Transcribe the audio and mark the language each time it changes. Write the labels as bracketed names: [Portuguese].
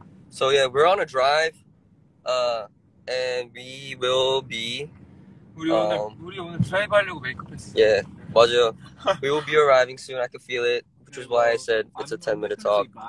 [English] So yeah, we're on a drive, and we will be. [Korean] 우리 오늘 드라이브 하려고 메이크업했어. [English] Yeah, [Korean] 맞아. [English] We will be arriving soon. I can feel it, which is why I said it's a 10-minute talk.